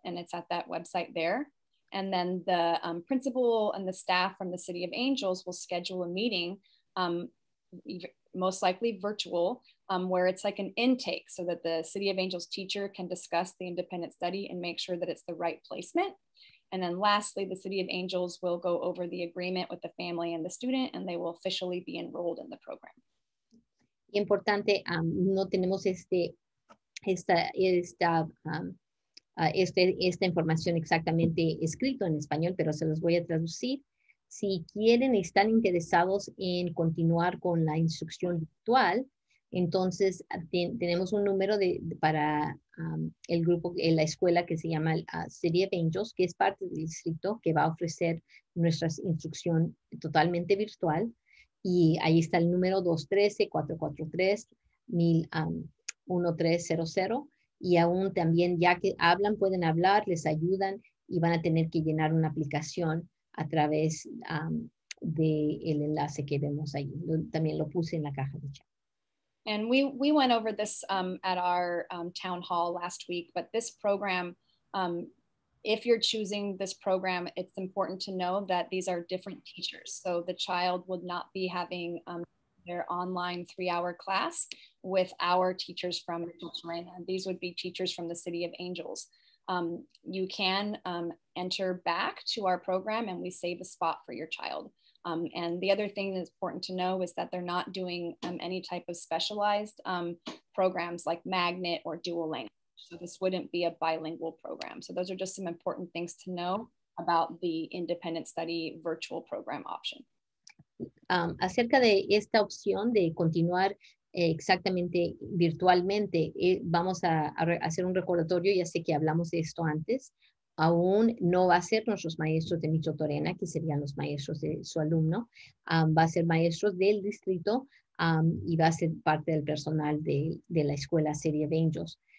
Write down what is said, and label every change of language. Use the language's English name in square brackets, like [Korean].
[English] And it's at that website there. And then the principal and the staff from the City of Angels will schedule a meeting, most likely virtual, where it's like an intake so that the City of Angels teacher can discuss the independent study and make sure that it's the right placement. And then lastly, the City of Angels will go over the agreement with the family and the student, and they will officially be enrolled in the program. [Spanish] Importante, no tenemos esta información exactamente escrito en español, pero se los voy a traducir. Si quieren, están interesados en continuar con la instrucción virtual, entonces tenemos un número el grupo, la escuela que se llama City of Angels, que es parte del distrito, que va a ofrecer nuestra instrucción totalmente virtual. Y ahí está el número 213-443-1300. Y aún también, ya que hablan, pueden hablar, les ayudan y van a tener que llenar una aplicación a través del enlace que vemos ahí. También lo puse en la caja de chat. [English] And we went over this at our town hall last week, but this program, if you're choosing this program, it's important to know that these are different teachers. So the child would not be having their online 3-hour class with our teachers from Micheltorena. These would be teachers from the City of Angels. you can enter back to our program and we save a spot for your child. And the other thing that's important to know is that they're not doing any type of specialized programs like magnet or dual language. So this wouldn't be a bilingual program. So those are just some important things to know about the independent study virtual program option. [Spanish] Acerca de esta opción de continuar exactamente virtualmente, vamos a hacer un recordatorio, ya sé que hablamos de esto antes, aún no va a ser nuestros maestros de Micheltorena, que serían los maestros de su alumno, va a ser maestros del distrito y va a ser parte del personal de la escuela Serie of Angels.